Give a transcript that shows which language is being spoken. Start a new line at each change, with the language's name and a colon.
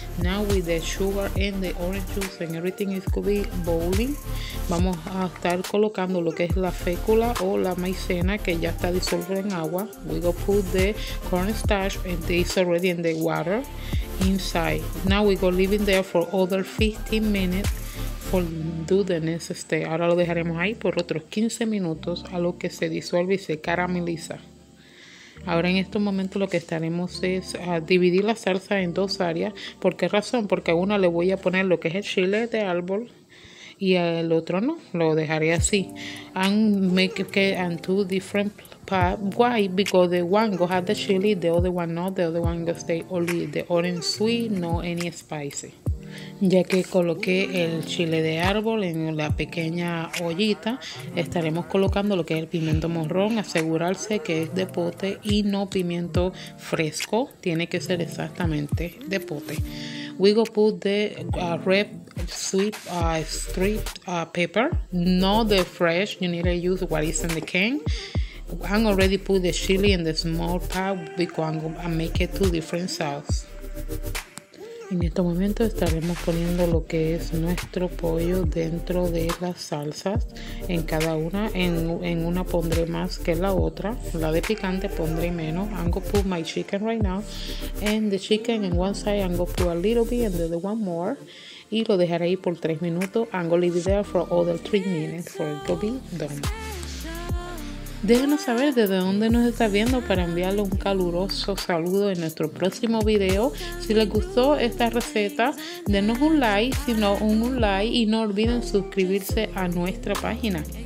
English: Now with the sugar and the orange juice and everything is going to be boiling,
Spanish: vamos a estar colocando lo que es la fécula o la maicena que ya está disuelta en agua.
English: We go put the cornstarch and it's already in the water inside. Now we go leave it there for other 15 minutes for do the next step.
Spanish: Ahora lo dejaremos ahí por otros 15 minutos a lo que se disuelve y se carameliza. Ahora en estos momentos lo que estaremos es a dividir la salsa en 2 áreas. ¿Por qué razón? Porque a una le voy a poner lo que es el chile de árbol y al otro no, lo dejaré así.
English: And make it and 2 different part. Why? Because the one go have the chili, the other one not. The other one go stay only the orange sweet, no any spicy.
Spanish: Ya que coloqué el chile de árbol en la pequeña ollita, estaremos colocando lo que es el pimiento morrón. Asegurarse que es de pote y no pimiento fresco. Tiene que ser exactamente de pote.
English: We go put the red sweet stripped pepper, not the fresh. You need to use what is in the can. I'm already put the chili in the small pot because I'm gonna make it two different sauces.
Spanish: En este momento estaremos poniendo lo que es nuestro pollo dentro de las salsas. En cada una, en una pondré más que la otra. La de picante pondré menos.
English: I'm gonna put my chicken right now. And the chicken on one side, I'm gonna put a little bit and the other one more.
Spanish: Y lo dejaré ahí por 3 minutos.
English: I'm gonna leave it there for other 3 minutes for it to be done.
Spanish: Déjenos saber desde dónde nos está viendo para enviarle un caluroso saludo en nuestro próximo video. Si les gustó esta receta, denos un like y no olviden suscribirse a nuestra página.